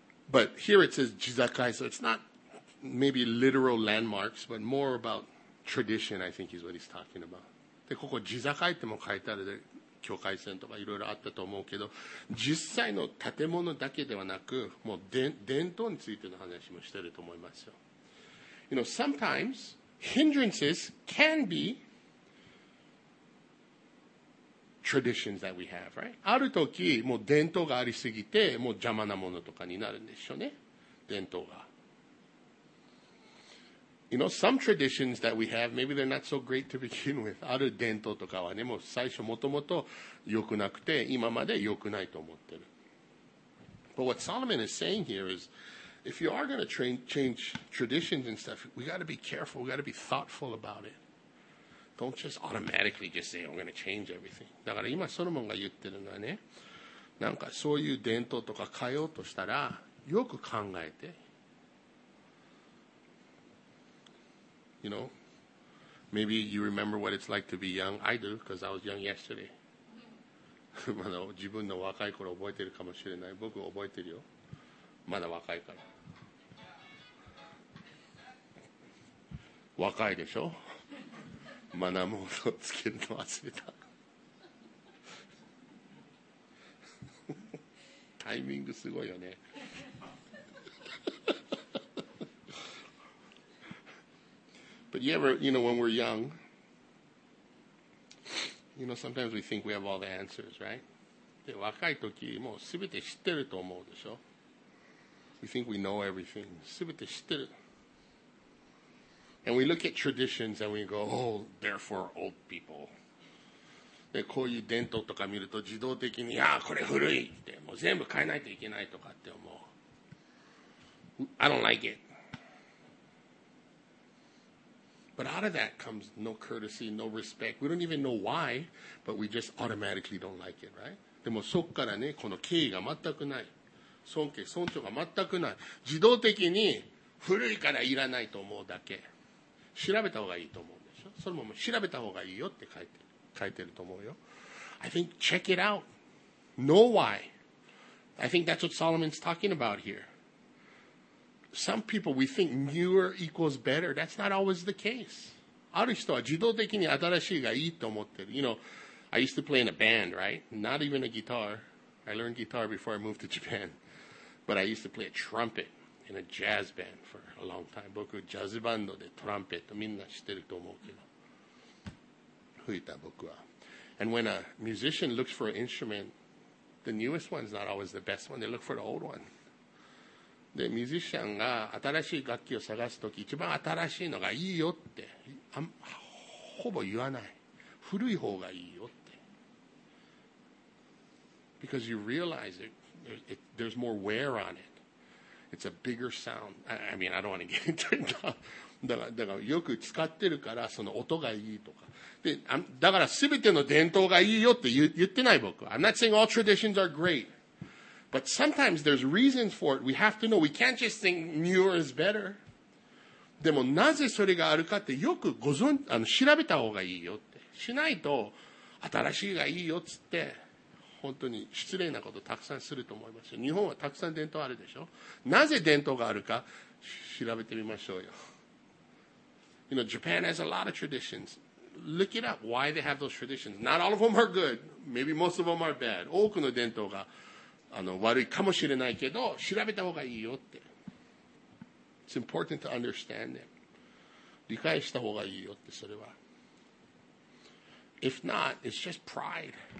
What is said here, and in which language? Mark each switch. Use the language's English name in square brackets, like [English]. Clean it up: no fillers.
[English] But here it says jizakai, so it's not maybe literal landmarks, but more about tradition, I think is what he's talking about. [Japanese] で、ここ jizakai っても書いてあるで、境界線とかいろいろあったと思うけど、実際の建物だけではなく、もう伝統についての話もしてると思いますよ。 [English] You know, sometimes hindrances can be traditions that we have, right? [Japanese] ある時もう伝統がありすぎてもう邪魔なものとかになるんでしょうね、伝統が。 [English] You know, some traditions that we have, maybe they're not so great to begin with. [Japanese] ある伝統とかはね、もう最初もともと良くなくて今まで良くないと思ってる。 [English] But what Solomon is saying here is, if you are going to change traditions and stuff, we got to be careful, we got to be thoughtful about it. Don't just automatically just say, I'm going to change everything. [Japanese] だから今ソロモンが言ってるのはね、なんかそういう伝統とか変えようとしたら、よく考えて。 [English] You know, maybe you remember what it's like to be young. I do, because I was young yesterday. [Japanese] 自分の若い頃覚えてるかもしれない。僕覚えてるよ。まだ若いから。若いでしょ?マナモードをつけるの忘れた。タイミングすごいよね。 [English] But you ever, you know, when we're young, you know, sometimes we think we have all the answers, right? [Japanese] で、若い時もうすべて知ってると思うでしょ。 [English] We think we know everything. [Japanese] すべて知ってる。 [English] And we look at traditions and we go, oh, therefore old people. [Japanese] で、こういう伝統とか見ると自動的に、ああ、これ古いって、もう全部変えないといけないとかって思う。 [English] I don't like it. But out of that comes no courtesy, no respect. We don't even know why, but we just automatically don't like it, right? [Japanese] でもそっからね、この敬意が全くない。尊敬、尊重が全くない。自動的に古いからいらないと思うだけ。調べた方がいいと思うんでしょ。それも調べた方がいいよって書いてると思うよ。 [English] I think check it out. Know why. I think that's what Solomon's talking about here. Some people, we think newer equals better. That's not always the case. [Japanese] ある人は自動的に新しいがいいと思ってる。 [English] You know, I used to play in a band, right? Not even a guitar. I learned guitar before I moved to Japan. But I used to play a trumpet. In a jazz band for a long time. [Japanese] 僕、ジャズバンドでトランペット、みんな知ってると思うけど。吹いた、僕は。 [English] And when a musician looks for an instrument, the newest one's not always the best one. They look for the old one. [Japanese] で、ミュージシャンが新しい楽器を探すとき、一番新しいのがいいよって、ほぼ言わない。古い方がいいよって。 [English] Because you realize it, there's more wear on it. It's a bigger sound. I mean, I don't want to get into it. [Japanese] だからよく使ってるから、その音がいいとか。で、だから全ての伝統がいいよって言ってない僕は。 [English] I'm not saying all traditions are great. But sometimes there's reasons for it. We have to know. We can't just think newer is better. [Japanese] でもなぜそれがあるかってよくご存知、調べた方がいいよって。しないと新しいがいいよっつって、本当に失礼なことたくさんすると思いますよ。日本はたくさん伝統あるでしょ。なぜ伝統があるか調べてみましょうよ。 [English] You know, Japan has a lot of traditions. Look it up. Why they have those traditions. Not all of them are good. Maybe most of them are bad. [Japanese] 多くの伝統が悪いかもしれないけど、調べた方がいいよって。 [English] It's important to understand it. [Japanese] 理解した方がいいよって、それは。 [English] If not, it's just pride.